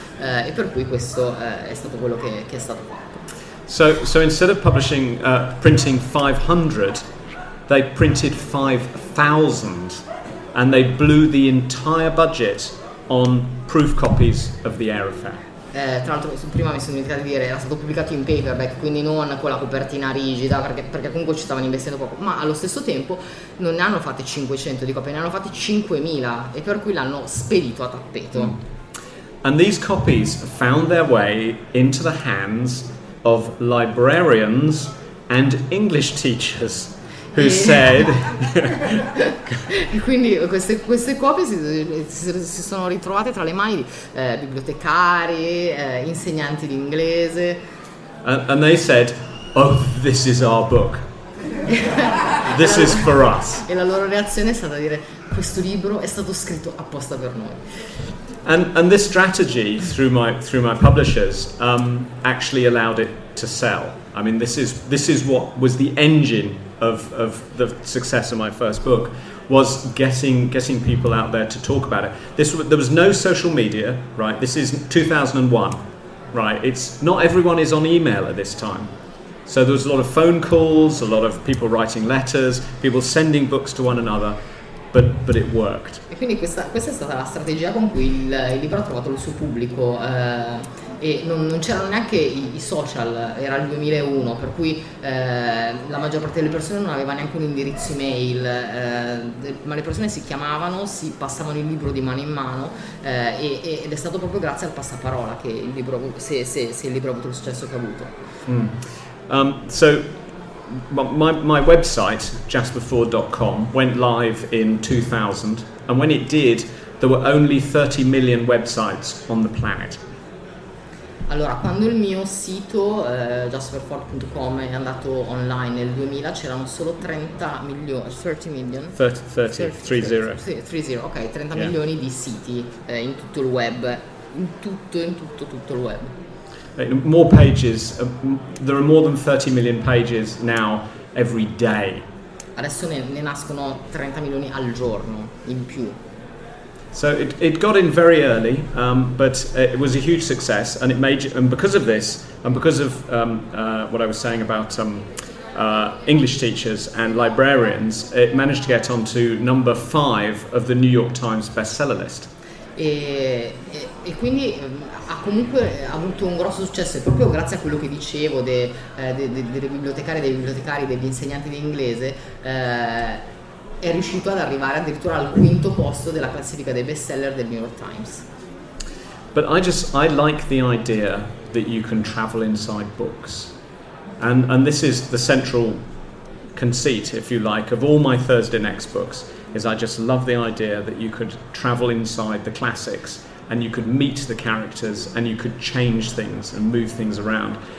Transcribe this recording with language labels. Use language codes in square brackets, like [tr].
[it] E per cui questo è stato quello che è stato fatto. [en] So instead of publishing, printing 500, they printed 5,000 and they blew the entire budget on proof copies of The Air Affair. [it] Tra l'altro prima mi sono dimenticato di dire, era stato pubblicato in paperback, quindi non con la copertina rigida, perché comunque ci stavano investendo poco, ma allo stesso tempo non ne hanno fatte 500 di copie, ne hanno fatte 5,000, e per cui l'hanno spedito a tappeto. Mm. [en] And these copies found their way into the hands of librarians and English teachers who said [it] quindi queste copie si sono ritrovate tra le mani di bibliotecari, insegnanti di inglese, [en] and they said, oh, this is our book, this is for us. [it] E la loro reazione è stata dire, questo libro è stato scritto apposta per noi. [en] And this strategy through my publishers actually allowed it to sell. I mean, this is what was the engine of the success of my first book, was getting people out there to talk about it. There was no social media, right? This is 2001, right? It's not everyone is on email at this time. So there was a lot of phone calls, a lot of people writing letters, people sending books to one another. But it worked. [it] E quindi questa è stata la strategia con cui il libro ha trovato il suo pubblico, e non c'erano neanche i social, era il 2001, per cui la maggior parte delle persone non aveva neanche un indirizzo email, ma le persone si chiamavano, si passavano il libro di mano in mano, ed è stato proprio grazie al passaparola che il libro, se il libro ha avuto il successo che ha avuto. [en] My website, jasperford.com, went live in 2000, and when it did, there were only 30 million websites on the planet. [it] Allora, quando il mio sito jasperford.com è andato online nel 2000 c'erano solo 30 milioni di siti in tutto il web, in tutto il web. [en] More pages, there are more than 30 million pages now every day. [it] Adesso ne nascono 30 milioni al giorno in più. [en] So it got in very early, but it was a huge success, and it made, and because of this, and because of what I was saying about English teachers and librarians, it managed to get onto number 5 of the New York Times bestseller list. [it] E quindi ha comunque avuto un grosso successo proprio grazie a quello che dicevo dei bibliotecari, degli insegnanti di inglese. È riuscito ad arrivare addirittura al quinto posto della classifica dei bestseller del New York Times. [en] But I like the idea that you can travel inside books, and this is the central conceit, if you like, of all my Thursday Next books. Is I just love the idea that you could travel inside the classics and you could meet the characters and you could change things and move things around.